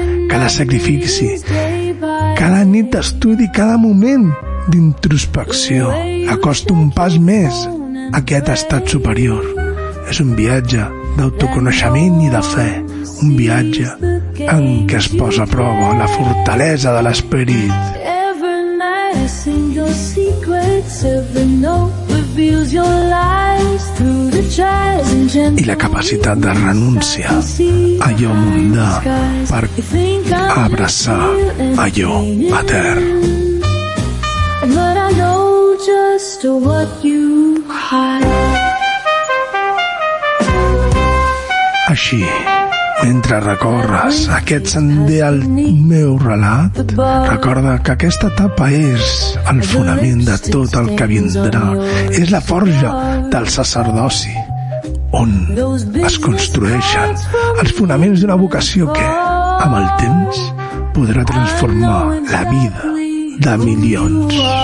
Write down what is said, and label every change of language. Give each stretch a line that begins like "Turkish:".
Catalan: Cada sacrifici, cada nit d'estudi, cada moment d'introspecció acosta un pas més a aquest estat superior. És un viatge d'autoconeixement i de fe, un viatge en què es posa a prova la fortalesa de l'esperit.
English: Every night I sing your secrets, every note reveals your lies through the trials and gentle.
Catalan: I la capacitat de renúncia a allò mundà per abraçar allò etern.
English: But I know just what you hide.
Catalan: Així, mentre recorres aquest sender al meu relat, recorda que aquesta etapa és el fonament de tot el que vindrà. És la forja del sacerdoci, on es construeixen els fonaments d'una vocació que, amb el temps, podrà transformar la vida de milions.